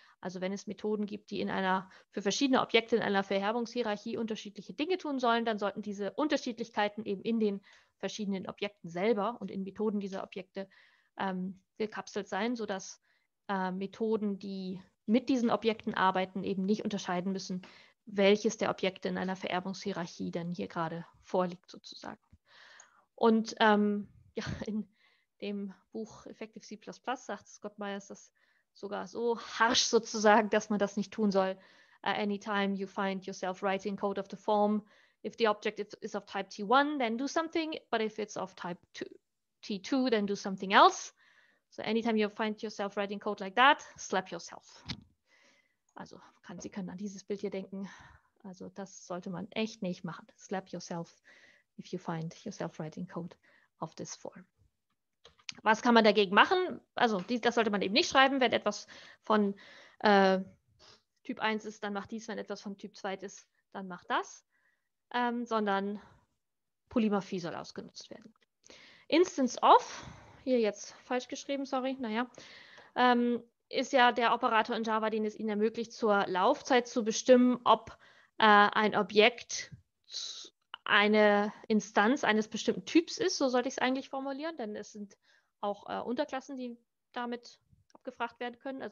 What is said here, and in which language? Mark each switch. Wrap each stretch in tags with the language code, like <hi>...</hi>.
<de>Also wenn es Methoden gibt, die in einer für verschiedene Objekte in einer Vererbungshierarchie unterschiedliche Dinge tun sollen, dann sollten diese Unterschiedlichkeiten eben in den verschiedenen Objekten selber und in Methoden dieser Objekte gekapselt sein, sodass Methoden, die mit diesen Objekten arbeiten, eben nicht unterscheiden müssen, welches der Objekte in einer Vererbungshierarchie denn hier gerade vorliegt, sozusagen. Und ja, in dem Buch Effective C++ sagt Scott Myers das sogar so harsch sozusagen, dass man das nicht tun soll.</de> <en>Anytime you find yourself writing code of the form, if the object is of type T1, then do something, but if it's of type T2, then do something else. So anytime you find yourself writing code like that, slap yourself.</en> <de>Also Sie können an dieses Bild hier denken. Also das sollte man echt nicht machen.</de> <en>Slap yourself if you find yourself writing code of this form.</en> <de>Was kann man dagegen machen? Also das sollte man eben nicht schreiben. Wenn etwas von Typ 1 ist, dann mach dies. Wenn etwas von Typ 2 ist, dann mach das. Sondern Polymorphie soll ausgenutzt werden. Instance of, hier jetzt falsch geschrieben, sorry, naja, ist ja der Operator in Java, den es Ihnen ermöglicht, zur Laufzeit zu bestimmen, ob ein Objekt eine Instanz eines bestimmten Typs ist, so sollte ich es eigentlich formulieren, denn es sind auch Unterklassen, die damit abgefragt werden können.</de>